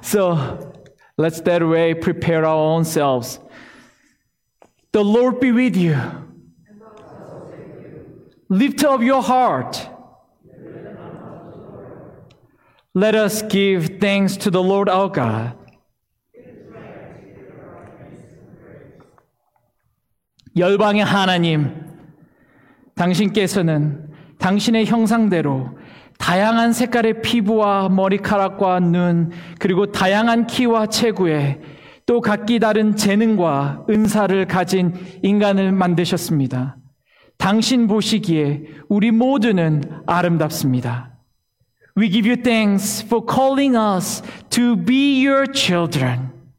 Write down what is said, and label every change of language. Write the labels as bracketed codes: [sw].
[en] So let's that way prepare our own selves. The Lord be with you. Lift up your heart. Let us give thanks to the Lord our God. [ko] "열방의 하나님, 당신께서는 당신의 형상대로 다양한 색깔의 피부와 머리카락과 눈, 그리고 다양한 키와 체구에 또 각기 다른 재능과 은사를 가진 인간을 만드셨습니다. 당신 보시기에 우리 모두는 아름답습니다. [en] We give you thanks for calling us to be your children.